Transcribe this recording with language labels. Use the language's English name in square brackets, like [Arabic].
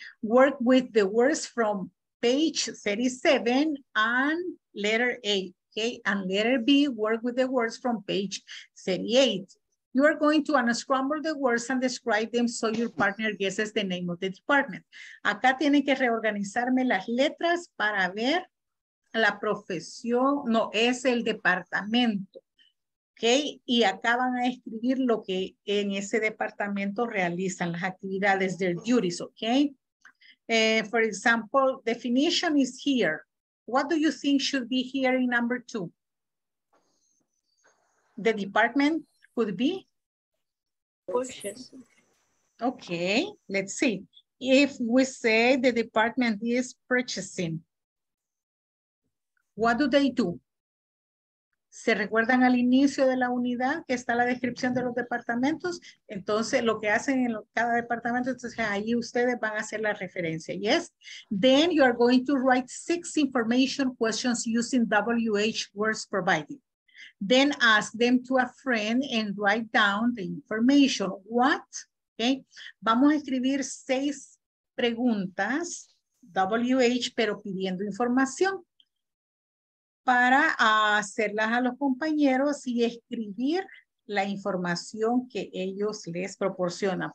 [English] Work with the words from page 37 and letter A. Okay, and letter B, work with the words from page 38. You are going to unscramble the words and describe them so your partner guesses the name of the department. [Spanish] Acá tiene que reorganizarme las letras para ver la profesión, no, es el departamento. Okay, y acá van a escribir lo que en ese departamento realizan, las actividades, [English] their duties, [Spanish] okay? [English] For example, definition is here. What do you think should be here in number two? The department could be? Purchasing. Okay, let's see. If we say the department is purchasing, what do they do? [Spanish] ¿Se recuerdan al inicio de la unidad que está la descripción de los departamentos? Entonces, lo que hacen en cada departamento, entonces ahí ustedes van a hacer la referencia, yes? [English] Then you are going to write 6 information questions using WH words provided. Then ask them to a friend and write down the information. What? Okay. [Spanish] Vamos a escribir 6 preguntas, WH, pero pidiendo información, para hacerlas a los compañeros y escribir la información que ellos les proporcionan.